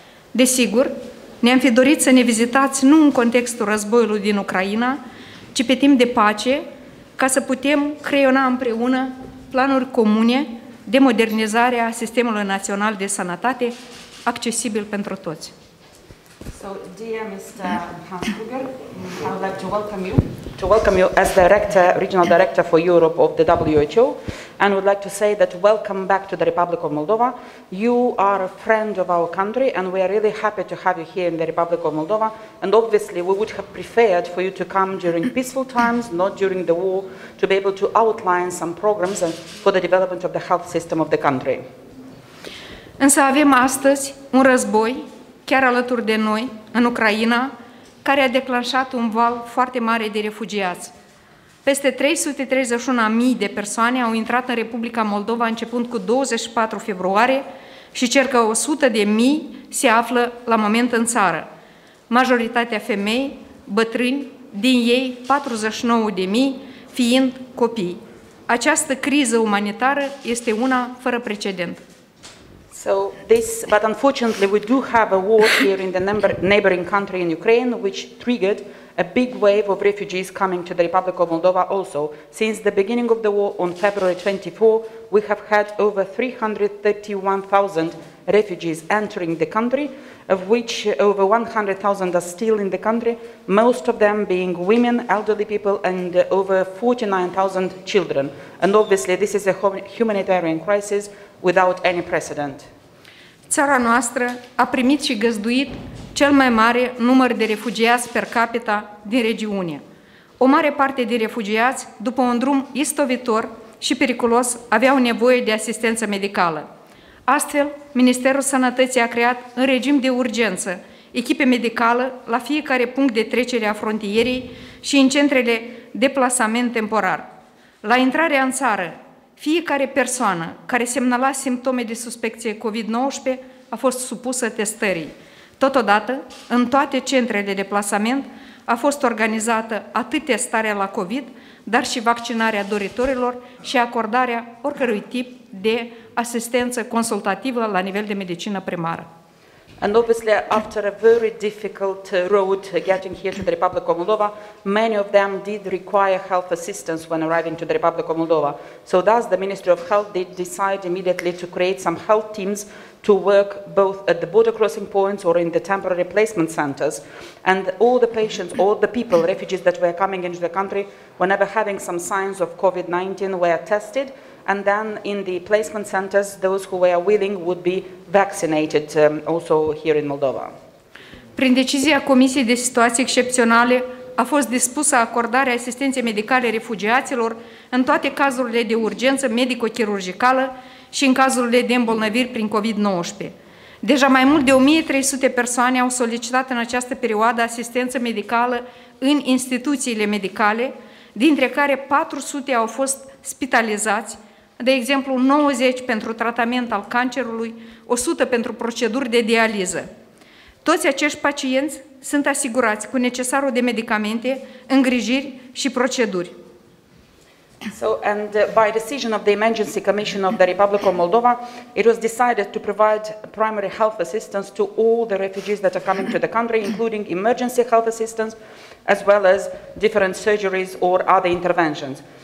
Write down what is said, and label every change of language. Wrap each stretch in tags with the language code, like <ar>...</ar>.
<ro>Desigur, ne-am fi dorit să ne vizitați nu în contextul războiului din Ucraina, ci pe timp de pace, ca să putem creiona împreună planuri comune de modernizare a sistemului național de sănătate accesibil pentru toți.</ro> <en>So, dear Mr. Hans Kluger, I would like to welcome you. To welcome you as director, regional director for Europe of the WHO, and would like to say that welcome back to the Republic of Moldova. You are a friend of our country, and we are really happy to have you here in the Republic of Moldova. And obviously, we would have preferred for you to come during peaceful times, not during the war, to be able to outline some programs for the development of the health system of the country.</en> <ro>Însă avem astăzi un război chiar alături de noi, în Ucraina, care a declanșat un val foarte mare de refugiați. Peste 331.000 de persoane au intrat în Republica Moldova începând cu 24 februarie și circa 100.000 se află la moment în țară. Majoritatea femei, bătrâni, din ei 49.000 fiind copii. Această criză umanitară este una fără precedent.</ro> <en>So this, but unfortunately we do have a war here in the neighboring country in Ukraine, which triggered a big wave of refugees coming to the Republic of Moldova also. Since the beginning of the war on February 24, we have had over 331,000 refugees entering the country, of which over 100,000 are still in the country, most of them being women, elderly people, and over 49,000 children. And obviously this is a humanitarian crisis without any precedent.</en> <ro>Țara noastră a primit și găzduit cel mai mare număr de refugiați per capita din regiune. O mare parte din refugiați, după un drum istovitor și periculos, aveau nevoie de asistență medicală. Astfel, Ministerul Sănătății a creat în regim de urgență echipe medicale la fiecare punct de trecere a frontierii și în centrele de plasament temporar. La intrarea în țară, fiecare persoană care semnala simptome de suspecție COVID-19 a fost supusă testării. Totodată, în toate centrele de plasament a fost organizată atât testarea la COVID, dar și vaccinarea doritorilor și acordarea oricărui tip de asistență consultativă la nivel de medicină primară.</ro> <en>And obviously, after a very difficult road getting here to the Republic of Moldova, many of them did require health assistance when arriving to the Republic of Moldova. So thus, the Ministry of Health did decide immediately to create some health teams to work both at the border crossing points or in the temporary placement centers. And all the patients, all the people, refugees that were coming into the country, whenever having some signs of COVID-19, were tested. And then in the placement centers, those who were willing would be vaccinated also here in Moldova.</en> <ro>Prin decizia Comisiei de Situații Excepționale a fost dispusă acordarea asistenței medicale refugiaților în toate cazurile de urgență medico-chirurgicală și în cazurile de îmbolnăviri prin COVID-19. Deja mai mult de 1300 persoane au solicitat în această perioadă asistență medicală în instituțiile medicale, dintre care 400 au fost spitalizați, de exemplu 90 pentru tratament al cancerului, 100 pentru proceduri de dializă. Toți acești pacienți sunt asigurați cu necesarul de medicamente, îngrijiri și proceduri.</ro> <en>So, and by decision of the Emergency Commission of the Republic of Moldova, it was decided to provide primary health assistance to all the refugees that are coming to the country, including emergency health assistance, as well as different surgeries or other interventions.</en>